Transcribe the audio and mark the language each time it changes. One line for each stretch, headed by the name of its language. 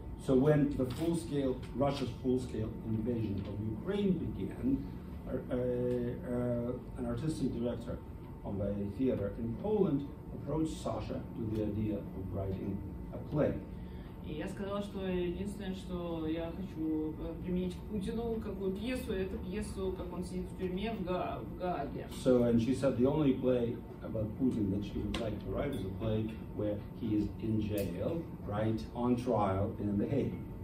English: So when the full-scale, Russia's full-scale invasion of Ukraine began, an artistic director of a theater in Poland approached Sasha with the idea of writing a play.
Russian: И я сказала, что единственное, что я хочу применить к Путину какую пьесу, это пьесу, как он сидит в тюрьме в Гааге.
English: So, and she said the only play about Putin that she would like to write is a play where he is in jail, right, on trial in The Hague.